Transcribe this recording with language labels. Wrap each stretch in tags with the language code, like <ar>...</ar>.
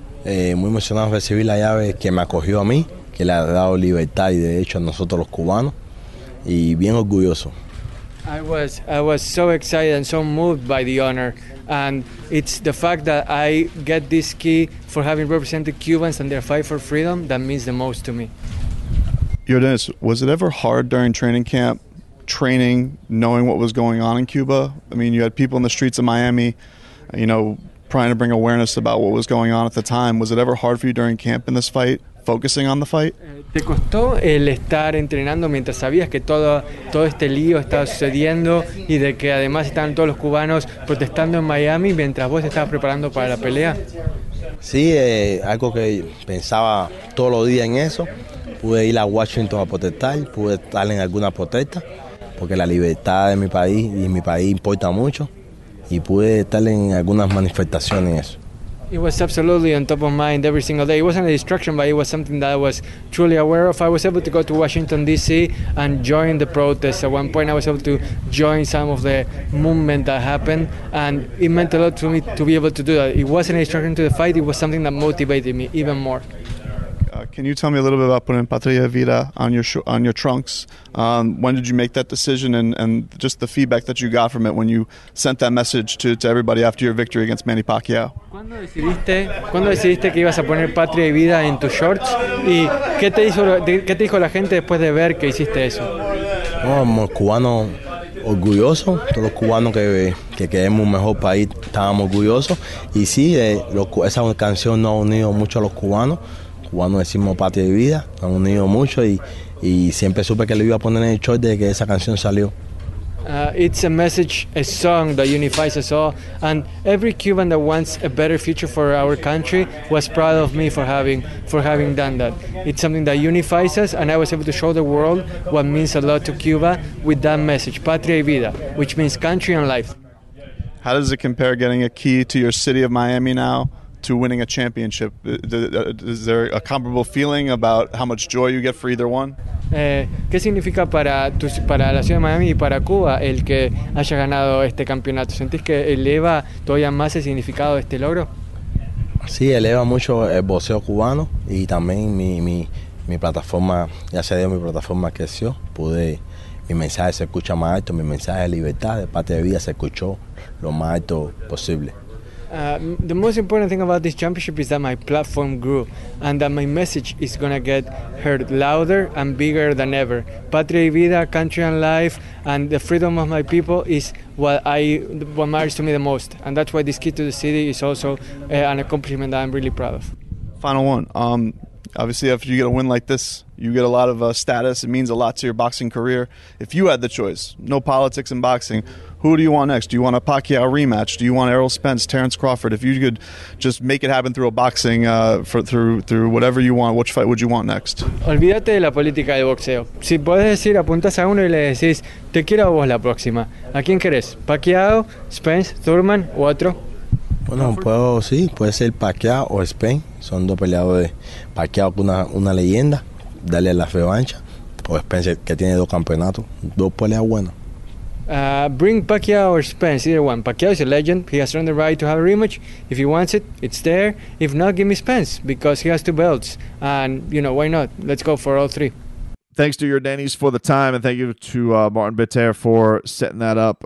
<es>Muy emocionado recibir la llave que me acogió a mí, que le ha dado libertad y derecho a nosotros los cubanos, y bien orgulloso.</es> <en>I was so excited and so moved by the honor, and it's the fact that I get this key for having represented Cubans and their fight for freedom that means the most to me. Yordanes, was it ever hard during training camp, training, knowing what was going on in Cuba? I mean, you had people in the streets of Miami, you know, trying to bring awareness about what was going on at the time. Was it ever hard for you during camp in this fight, focusing on the fight?</en> <es>¿Te costó el estar entrenando mientras sabías que todo este lío estaba sucediendo y de que además estaban todos los cubanos protestando en Miami mientras vos estabas preparando para la pelea? Sí, algo que pensaba todos los días en eso. Pude ir a Washington a protestar, pude estar en alguna protesta, porque la libertad de mi país y mi país importa mucho, y pude estar en algunas manifestaciones en eso.</es> <en>It was absolutely on top of mind every single day. It wasn't a distraction, but it was something that I was truly aware of. I was able to go to Washington, D.C. and join the protests. At one point, I was able to join some of the movement that happened, and it meant a lot to me to be able to do that. It wasn't a distraction to the fight. It was something that motivated me even more. Can you tell me a little bit about putting Patria Vida on your trunks? When did you make that decision, and just the feedback that you got from it when you sent that message to everybody after your victory against Manny Pacquiao?</en> <es>¿Cuándo decidiste que ibas a poner Patria y Vida en tus shorts? ¿Y qué te dijo la gente después de ver que hiciste eso? Vamos, cubano. Orgulloso, todos los cubanos que queremos un mejor país, estábamos orgullosos. Y sí, esa canción nos ha unido mucho a los cubanos. Cubanos decimos patria y vida, nos ha unido mucho y siempre supe que le iba a poner en el short desde que esa canción salió.</es> <en>It's a message, a song that unifies us all. And every Cuban that wants a better future for our country was proud of me for having done that. It's something that unifies us, and I was able to show the world what means a lot to Cuba with that message, Patria y Vida, which means country and life. How does it compare getting a key to your city of Miami now to winning a championship? Is there a comparable feeling about how much joy you get for either one?</en> <es>¿Qué significa para la ciudad de Miami y para Cuba el que haya ganado este campeonato? ¿Sentís que eleva todavía más el significado de este logro? Sí, eleva mucho el boxeo cubano y también mi plataforma, ya se dio, mi plataforma creció. Mi mensaje se escucha más alto, mi mensaje de libertad, de parte de vida, se escuchó lo más alto posible.</es> <en>The most important thing about this championship is that my platform grew and that my message is going to get heard louder and bigger than ever. Patria y vida, country and life, and the freedom of my people is what matters to me the most. And that's why this key to the city is also an accomplishment that I'm really proud of. Final one. Obviously, after you get a win like this, you get a lot of status. It means a lot to your boxing career. If you had the choice, no politics in boxing, who do you want next? Do you want a Pacquiao rematch? Do you want Errol Spence, Terrence Crawford? If you could just make it happen through a boxing, through whatever you want, which fight would you want next?</en> <es>Olvídate de la política de boxeo. Si puedes decir, apuntas a uno y le decís, te quiero a vos la próxima. ¿A quién querés? ¿Pacquiao, Spence, Thurman u otro? Bueno, puede ser Pacquiao o Spence. Son dos peleadores. Pacquiao con una leyenda, dale a la revancha. O Spence, que tiene dos campeonatos, dos peleas buenas.</es> <en>Bring Pacquiao or Spence, either one. Pacquiao is a legend. He has earned the right to have a rematch. If he wants it, it's there. If not, give me Spence, because he has two belts. And, you know, why not? Let's go for all three. Thanks to your Danny's for the time, and thank you to Martin Bitter for setting that up.</en>